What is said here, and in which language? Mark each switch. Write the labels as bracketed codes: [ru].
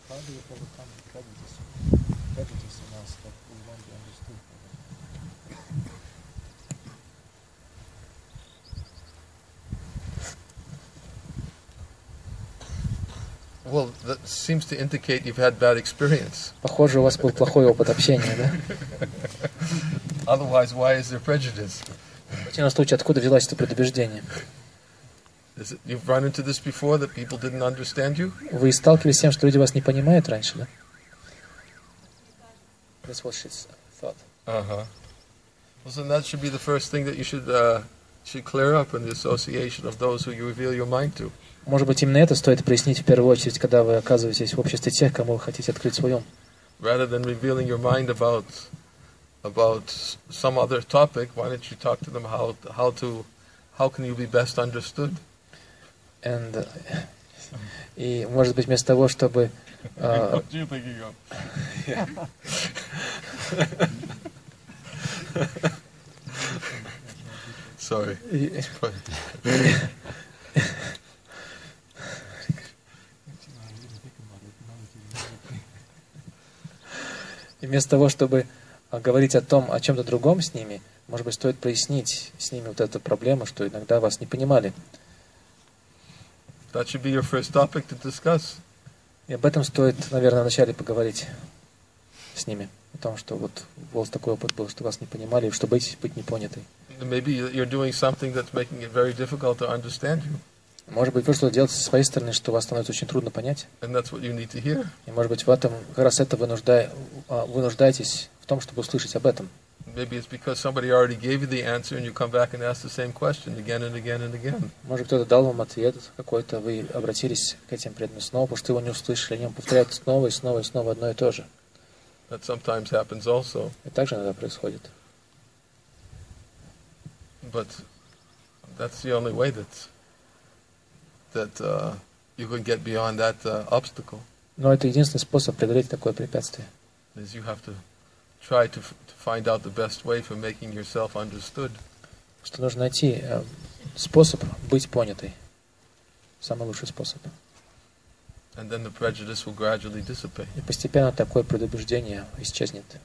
[en] Prejudice in us that we want to understand. Well, that seems to indicate you've had bad experience. [ru] Похоже, у вас был плохой опыт общения, да? [en] Otherwise, why is there prejudice? [ru] В противном случае, откуда взялось это предубеждение? [en] Is it, you've run into this before that people didn't understand you? [ru] Вы сталкивались с тем, что люди вас не понимают раньше, да? [en] That's what she thought. Uh-huh. Well, so that should be the first thing that you should clear up in the association of those who you reveal your mind to. [ru] Может быть, именно это стоит прояснить в первую очередь, когда вы оказываетесь в обществе тех, кому вы хотите открыть свой ум. [en] Rather than revealing your mind about some other topic, why don't you talk to them how can you be best understood? [ru] And и может быть вместо того, чтобы [en] what are you thinking of? Sorry. [ru] И вместо того, чтобы говорить о том, о чем-то другом с ними, может быть, стоит прояснить с ними вот эту проблему, что иногда вас не понимали. [en] That should be your first topic to discuss. [ru] И об этом стоит, наверное, вначале поговорить с ними. О том, что вот у вас такой опыт был, что вас не понимали, что боитесь быть непонятой. [en] Maybe you're doing something that's making it very difficult to understand you. [ru] Может быть, вы что-то делаете со своей стороны, что вас становится очень трудно понять. [en] And that's what you need to hear. [ru] И, может быть, в этом, как раз это вы нуждаетесь в том, чтобы услышать об этом. [en] Maybe it's because somebody already gave you the answer and you come back and ask the same question again and again and again. [ru] Может, кто-то дал вам ответ какой-то, вы обратились к этим преданным снова, потому что его не услышали, они вам повторяют снова и снова и снова одно и то же. [en] That sometimes happens also. [ru] И также иногда происходит. [en] But that's the only way that you can get beyond that obstacle. [ru] Но это единственный способ преодолеть такое препятствие. [en] Is you have to try to find out the best way for making yourself understood. [ru] Что нужно найти способ быть понятой. Самый лучший способ. [en] And then the prejudice will gradually dissipate. [ru] И постепенно такое предубеждение исчезнет.